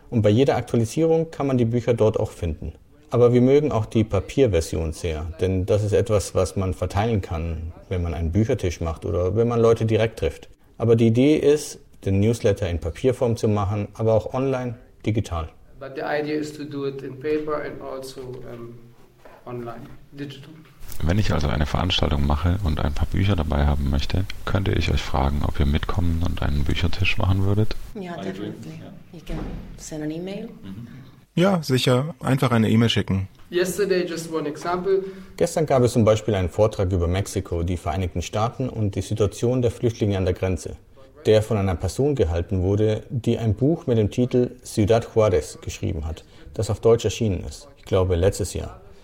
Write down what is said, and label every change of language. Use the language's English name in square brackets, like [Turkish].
[German] Und bei jeder Aktualisierung kann man die Bücher dort auch finden. Aber wir mögen auch die Papierversion sehr, denn das ist etwas, was man verteilen kann, wenn man einen Büchertisch macht oder wenn man Leute direkt trifft. Aber die Idee ist, den Newsletter in Papierform zu machen, aber auch online, digital. [English] But the idea is to do it in paper and also online, digital. [German] Wenn ich also eine Veranstaltung mache und ein paar Bücher dabei haben möchte, könnte ich euch fragen, ob ihr mitkommen und einen Büchertisch machen würdet? [English] Ja, definitely. You can send an email. [German] Ja, sicher. Einfach eine E-Mail schicken. [English] Yesterday, just one example. [German] Gestern gab es zum Beispiel einen Vortrag über Mexiko, die Vereinigten Staaten und die Situation der Flüchtlinge an der Grenze, der von einer Person gehalten wurde, die ein Buch mit dem Titel Ciudad Juárez geschrieben hat, das auf Deutsch erschienen ist. Ich glaube, letztes Jahr.